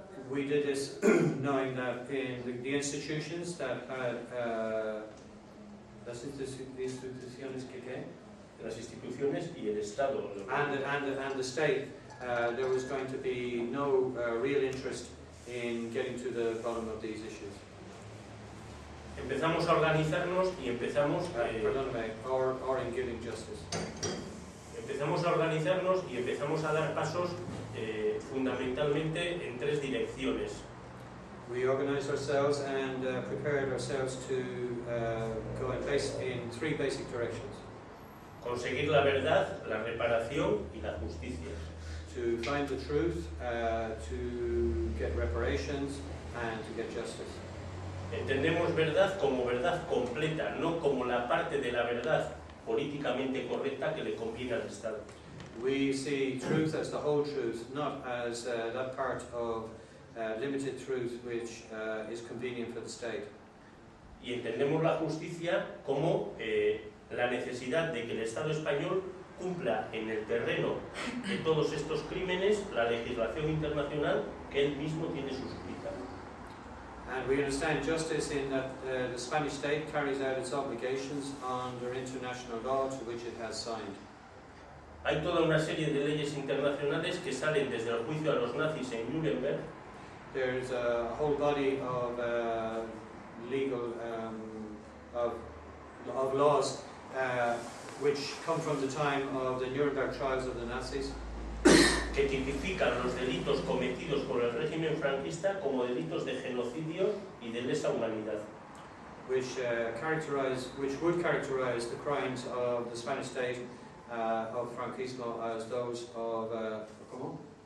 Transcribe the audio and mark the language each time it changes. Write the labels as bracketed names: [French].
[English] We did this knowing that in the institutions that had [Spanish] las instituciones que las instituciones y el Estado. [English] And the state, there was going to be no real interest in getting to the bottom of these issues. [Spanish] Empezamos a organizarnos y empezamos [English] or in giving justice. [Spanish] Empezamos a organizarnos y empezamos a dar pasos fundamentalmente en tres direcciones. [English] We organized ourselves and prepared ourselves to go in place in three basic directions. [Spanish] Conseguir la verdad, la reparación y la justicia. [English] To find the truth, to get reparations and to get justice. [Spanish] Entendemos verdad como verdad completa, no como la parte de la verdad políticamente correcta que le conviene al Estado. [English] We see truth as the whole truth, not as that part of limited truth which is convenient for the state. [Spanish] Y entendemos la justicia como la necesidad de que el Estado español cumpla en el terreno de todos estos crímenes la legislación internacional que él mismo tiene suscrita. [English] And we understand justice in that the Spanish state carries out its obligations under international law to which it has signed. [Spanish] Hay toda una serie de leyes internacionales que salen desde el juicio a los nazis en Nuremberg. [English] There is a whole body of legal of laws which come from the time of the Nuremberg trials of the Nazis, [Spanish] que tipifican los delitos cometidos por el régimen franquista como delitos de genocidio y de lesa humanidad. [English] Which would characterize the crimes of the Spanish state of franquismo as those of [Spanish] ¿cómo?